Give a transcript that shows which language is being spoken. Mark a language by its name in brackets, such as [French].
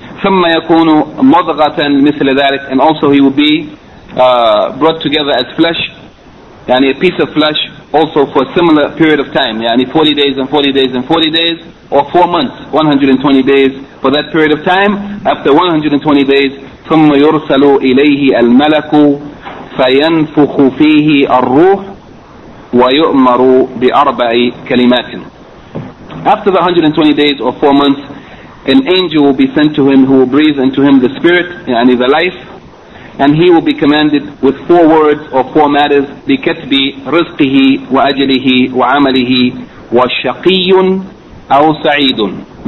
[Arabic] ثم يكون مضغة مثل ذلك, [English] and also he will be brought together as flesh, يعني a piece of flesh, also for a similar period of time, يعني 40 days and 40 days and 40 days, or 4 months, 120 days for that period of time. After 120 days, [Arabic] ثم يرسل إليه الملك فَيَنْفُخُ فِيهِ الرُّوحِ وَيُؤْمَرُ بِأَرْبَعِ كَلِمَاتٍ. [English] After the 120 days or 4 months, an angel will be sent to him who will breathe into him the spirit, yani the life, and he will be commanded with four words or four matters, [Arabic] بِكَتْبِ رِزْقِهِ وَأَجْلِهِ وَعَمَلِهِ وَالشَّقِيٌ أَوْ سَعِيدٌ.